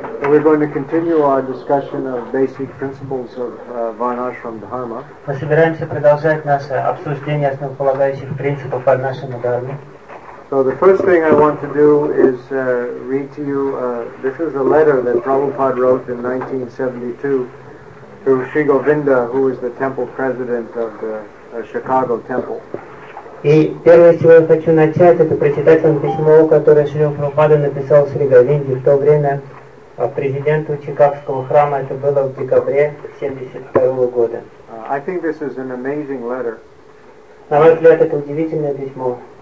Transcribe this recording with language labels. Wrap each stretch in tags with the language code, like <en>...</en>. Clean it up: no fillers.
<en>We're going to continue our discussion of basic principles of Varnashram Dharma.</en> <ru>Мы собираемся продолжать наше обсуждение основополагающих принципов Варнашрама Дхармы.</ru> <en>So the first thing I want to do is read to you, this is a letter that Prabhupada wrote in 1972 to Sri Govinda, who is the temple president of the Chicago temple.</en> <ru>И первое, с чего я хочу начать, это прочитать вам письмо, которое Шри Прабхупада написал Шри Говинде в то время президенту Чикагского храма. Это было в декабре 1972 года.</ru> <en>I think this is an amazing letter.</en> <ru>На мой взгляд, это удивительное письмо.</ru>